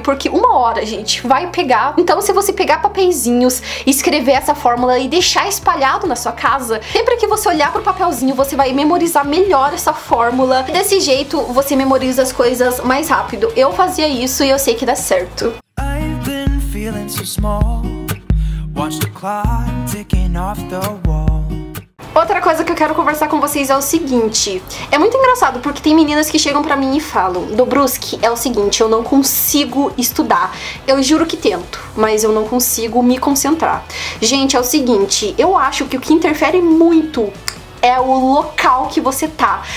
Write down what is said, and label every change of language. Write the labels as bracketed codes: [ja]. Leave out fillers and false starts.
[pt] Porque uma hora, gente, vai pegar. Então, se você pegar papeizinhos, escrever essa fórmula e deixar espalhado na sua casa, sempre que você olhar pro papelzinho, você vai memorizar melhor essa fórmula. E desse jeito, você memoriza as coisas mais rápido. Eu fazia isso e eu sei que dá certo. [en] I've been feeling so small. Watch the clock ticking off the wall. [pt] Outra coisa que eu quero conversar com vocês é o seguinte. É muito engraçado, porque tem meninas que chegam pra mim e falam, Dobrusky, é o seguinte, eu não consigo estudar. Eu juro que tento, mas eu não consigo me concentrar. Gente, é o seguinte, eu acho que o que interfere muito é o local que você tá.